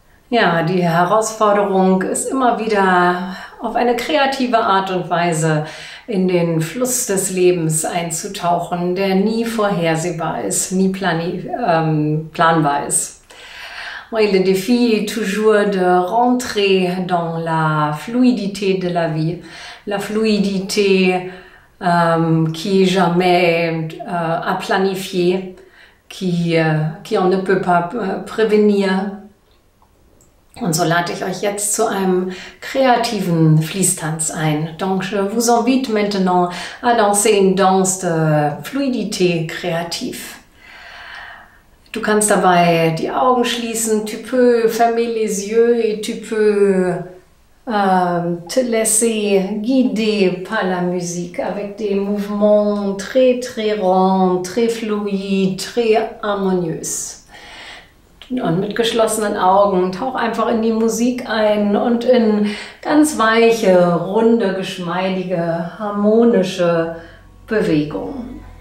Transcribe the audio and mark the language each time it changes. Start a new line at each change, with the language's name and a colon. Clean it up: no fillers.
German: Ja, die Herausforderung ist immer wieder auf eine kreative Art und Weise in den Fluss des Lebens einzutauchen, der nie vorhersehbar ist, nie planbar ist.
French: Moi, le défi est toujours de rentrer dans la fluidité de la vie, la fluidité qui est jamais à planifier, qui on ne peut pas prévenir.
German: Und so lade ich euch jetzt zu einem kreativen Fließtanz ein.
French: Donc, je vous invite maintenant à danser une danse de fluidité kreativ.
German: Du kannst dabei die Augen schließen,
French: tu peux fermer les yeux et tu peux te laisser guider par la musique avec des mouvements très très ronds, très fluides, très harmonieux.
German: Und mit geschlossenen Augen tauch einfach in die Musik ein und in ganz weiche, runde, geschmeidige, harmonische Bewegungen.